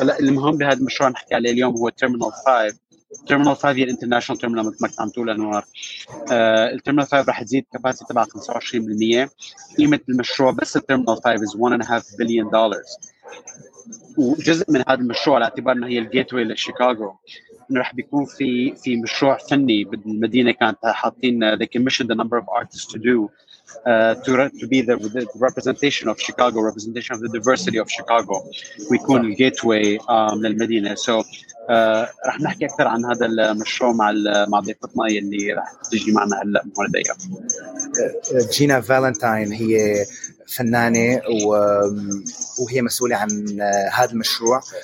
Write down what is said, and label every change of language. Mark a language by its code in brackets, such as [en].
[ar] هلا المهم بهذا المشروع نحكي عليه اليوم هو ترمينال 5. ترمينال 5 هي الانترناشونال ترمينال مثل ما كنت عم تقول انوار. الترمينال 5 رح تزيد كباسيتي تبعها 25%. قيمه المشروع بس الترمينال 5 [en] is $1.5 billion. [ar] وجزء من هذا المشروع على اعتبار انه هي الجيت واي لشيكاغو، انه رح بيكون في مشروع فني بالمدينه. كانت حاطين [en] they commissioned a number of artists to do to be the representation of Chicago, representation of the diversity of Chicago. We call the gateway [ar] للمدينة. So رح نحكي أكثر عن هذا المشروع مع ضيفتنا اللي رح تجي معنا هلا مولدية. جينا فالنتاين هي فنانة وهي مسؤولة عن هذا المشروع.